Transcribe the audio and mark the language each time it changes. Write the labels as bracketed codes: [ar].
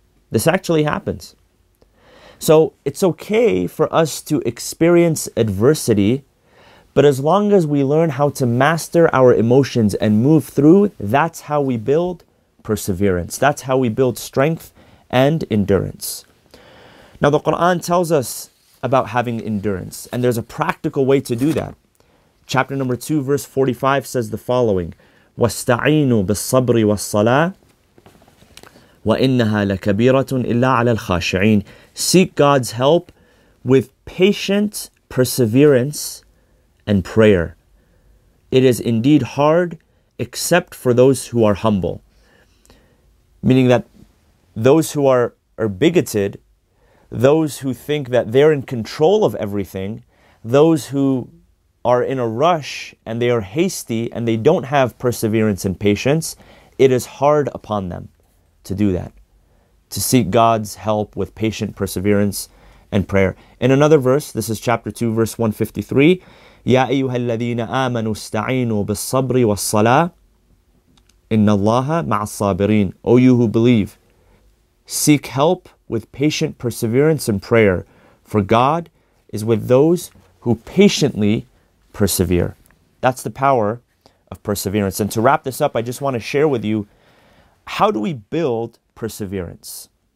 [en] This actually happens. So it's okay for us to experience adversity, but as long as we learn how to master our emotions and move through, that's how we build perseverance. That's how we build strength and endurance. Now the Quran tells us about having endurance, and there's a practical way to do that. Chapter number 2, verse 45 says the following: [ar] وَاسْتَعِينُوا بِالصَّبْرِ وَالصَّلَاةِ وَإِنَّهَا لَكَبِيرَةٌ إِلَّا عَلَى الْخَاشِعِينَ. [en] Seek God's help with patient perseverance and prayer. It is indeed hard except for those who are humble. Meaning that those who are bigoted, those who think that they're in control of everything, those who are in a rush and they are hasty and they don't have perseverance and patience, it is hard upon them to do that, to seek God's help with patient perseverance and prayer. In another verse, this is chapter 2, verse 153, [ar] يَا أَيُّهَا الَّذِينَ آمَنُوا اسْتَعِينُوا بِالصَّبْرِ وَالصَّلَاةِ إِنَّ اللَّهَ مَعَ الصَّابِرِينَ. [en] O you who believe, seek help with patient perseverance and prayer, for God is with those who patiently persevere. That's the power of perseverance. And to wrap this up, I just want to share with you, how do we build perseverance?